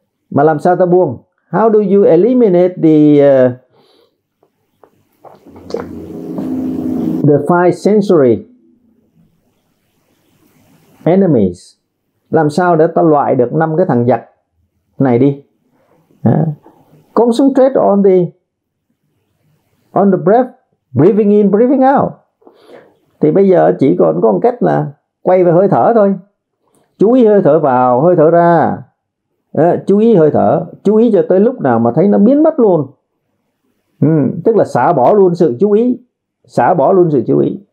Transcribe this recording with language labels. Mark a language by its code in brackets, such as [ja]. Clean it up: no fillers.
[vi] Mà làm sao ta buông? [en] How do you eliminate the 5 sensory enemies? [vi] Làm sao để ta loại được 5 cái thằng giặc này đi? [en] Concentrate on the breath, breathing in, breathing out. [vi] Thì bây giờ chỉ còn có một cách là quay về hơi thở thôi. Chú ý hơi thở vào, hơi thở ra. Chú ý hơi thở, chú ý cho tới lúc nào mà thấy nó biến mất luôn. Tức là xả bỏ luôn sự chú ý, xả bỏ luôn sự chú ý.